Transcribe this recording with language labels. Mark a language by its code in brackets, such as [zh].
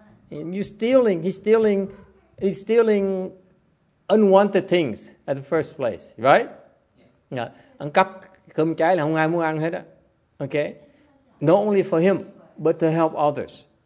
[en] He's stealing unwanted things at the first place, right? [vi] Ăn cắp cơm cháy là không ai muốn ăn hết á. [en] Okay. Not only for him, but to help others.